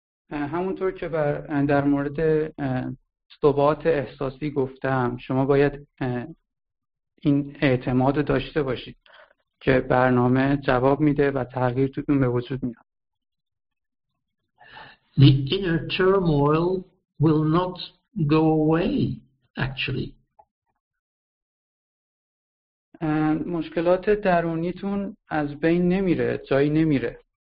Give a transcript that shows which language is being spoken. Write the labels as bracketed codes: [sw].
[fa] همونطور که در مورد ثبات احساسی گفتم، شما باید این اعتماد داشته باشید که برنامه جواب میده و تغییر توتون به وجود میاد. [en] The inner turmoil will not go away, actually. [fa] مشکلات درونیتون از بین نمیره، جایی نمیره.